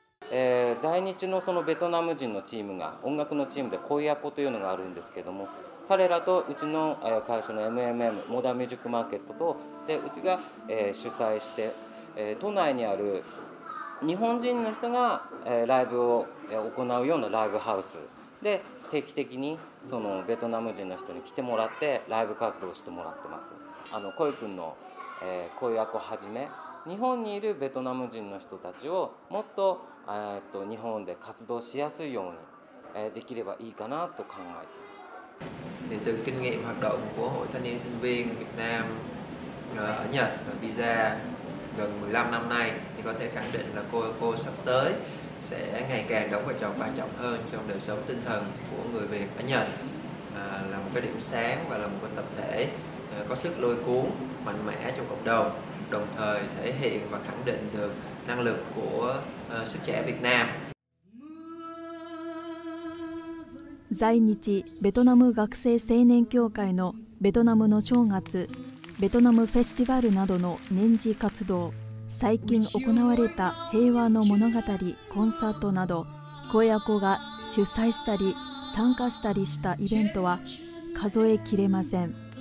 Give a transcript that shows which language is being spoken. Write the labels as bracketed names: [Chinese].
[Japanese] 在日のそのベトナム人のチームが音楽のチームでコイアコというのがあるんですけども、彼らとうちの会社の MMM モダンミュージックマーケットとでうちが主催して都内にある日本人の人がライブを行うようなライブハウスで定期的にそのベトナム人の人に来てもらってライブ活動をしてもらってます。あのコイ君のコイアコはじめ日本にいるベトナム人の人たちをもっと日本で活動しやすいようにできればいいかなと考えています。 [Vietnamese] で、từ kinh nghiệm hoạt động của hội thanh niên sinh viên Việt Nam ở Nhật và Visa gần 15 năm nay thì có thể khẳng định là cô sắp tới sẽ ngày càng đóng vai trò quan trọng hơn trong đời sống tinh thần của người Việt ở Nhật, là một cái điểm sáng và là một cái tập thể có sức lôi cuốn mạnh mẽ trong cộng đồng, đồng thời thể hiện và khẳng định được năng lực của sức trẻ Việt Nam. [Japanese] 在日ベトナム学生青年協会のベトナムの正月、ベトナムフェスティバルなどの年次活動、最近行われた平和の物語コンサートなど、コイアコが主催したり参加したりしたイベントは数えきれません。